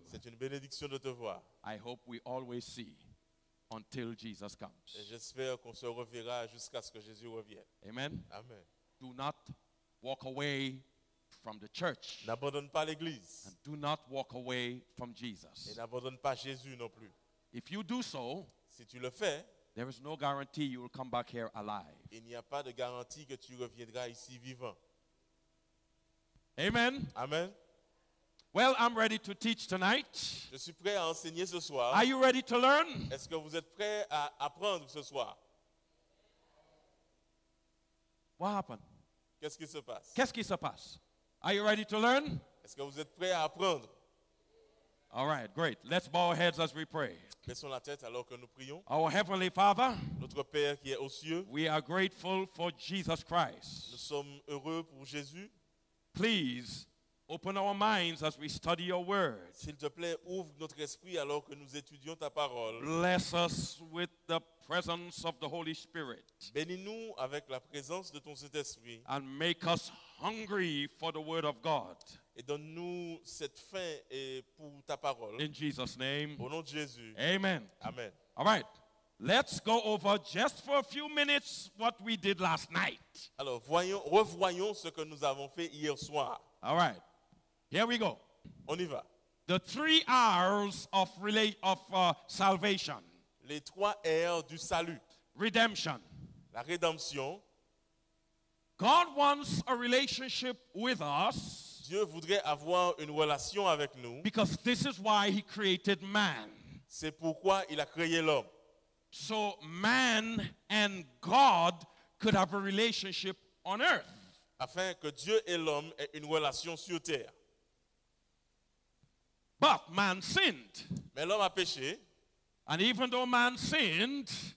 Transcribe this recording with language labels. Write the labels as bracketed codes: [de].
[fr] C'est une bénédiction de te voir. [en] I hope we always see. Until Jesus comes. [fr] Et j'espère qu'on se reverra jusqu'à ce que Jésus revienne. [en] Amen. [fr] Amen. [en] Do not walk away from the church. [fr] N'abandonne pas l'église. [en] And do not walk away from Jesus. [fr] Et n'abandonne pas Jésus non plus. [en] If you do so, [fr] si tu le fais, [en] there is no guarantee you will come back here alive. [fr] Il n'y a pas de garantie que tu reviendras ici vivant. [en] Amen. [fr] Amen. [en] Well, I'm ready to teach tonight. [fr] Je suis prêt à enseigner ce soir. [en] Are you ready to learn? [fr] Est-ce que vous êtes prêt à apprendre ce soir? [en] What happened? [fr] Qu'est-ce qui se passe? Qu'est-ce qui se passe? [en] Are you ready to learn? [fr] Est-ce que vous êtes prêt à apprendre? [en] All right, great. Let's bow our heads as we pray. [fr] Baissons la tête alors que nous prions. [en] Our Heavenly Father, [fr] notre Père qui est aux cieux, [en] we are grateful for Jesus Christ. [fr] Nous sommes heureux pour Jésus. [en] Please, open our minds as we study your word. [fr] S'il te plaît, ouvre notre esprit alors que nous étudions ta parole. [en] Bless us with the presence of the Holy Spirit. [fr] Bénis-nous avec la présence de ton Saint-Esprit. [en] And make us hungry for the word of God. [fr] Et donne-nous cette faim et pour ta parole. [en] In Jesus' name. [fr] Au nom de Jésus. [en] Amen. [fr] Amen. [en] All right. Let's go over just for a few minutes what we did last night. [fr] Alors, revoyons ce que nous avons fait hier soir. [en] All right. Here we go. [fr] On y va. [en] The three R's of salvation. [fr] Les trois R's du salut. [en] Redemption. [fr] La rédemption. [en] God wants a relationship with us. [fr] Dieu voudrait avoir une relation avec nous. [en] Because this is why he created man. [fr] C'est pourquoi il a créé l'homme. [en] So man and God could have a relationship on earth. [fr] Afin que Dieu et l'homme aient une relation sur terre. [en] But man sinned. [fr] Mais l'homme a péché. [en] And even though man sinned,